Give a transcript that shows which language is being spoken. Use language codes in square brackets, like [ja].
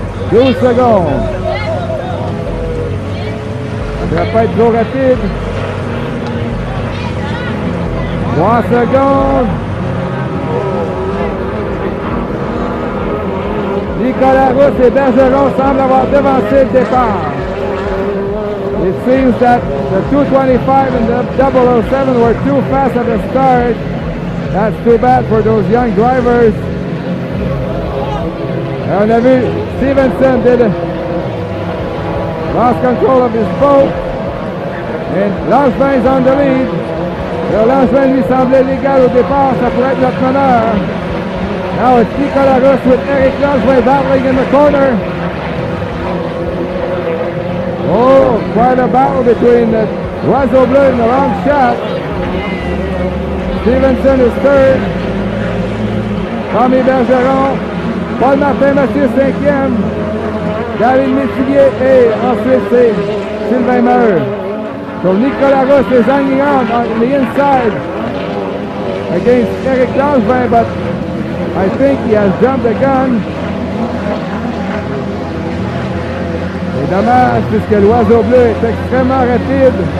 [fr] 12 secondes. Ça ne devrait pas être trop rapide. 3 secondes. Nicolas Rousse et Bergeron semblent avoir devancé le départ. [en] It seems that the 225 and the 007 were too fast at the start. That's too bad for those young drivers. [fr] Et on a vu [en] Stevenson did lost control of his boat. And Langevin is on the lead. [fr] Alors Langevin lui semblait légal au départ, ça pourrait être notre meneur. [en] Now it's Nicolas Rousse with Eric Langevin battling in the corner. Oh, quite a battle between the Oiseau Bleu and the long shot. Stevenson is third. Tommy Bergeron. [fr] Paul Martin Mathieu cinquième. David Métivier et ensuite c'est Sylvain Meur. [en] Donc Nicolas Rousse is hanging on the inside against Eric Langevin, but I think he has jumped the gun. [fr] C'est dommage puisque l'Oiseau Bleu est extrêmement rapide.